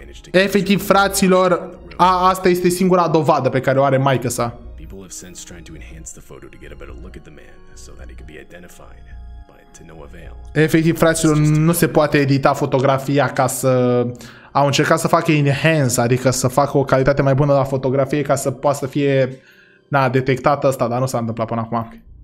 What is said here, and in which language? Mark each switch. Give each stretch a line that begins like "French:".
Romanian: Efectiv, fraților, asta este singura dovadă pe care o are maică-sa.
English: People have since tried to enhance the photo to get a better look at the man so that he could be identified, but to no avail.
Romanian: Efectiv, fraților, nu se poate edita fotografia ca să... Au încercat să facă enhance, adică să facă o calitate mai bună la fotografie ca să poată să fie, na, detectată asta, dar nu s-a întâmplat până acum.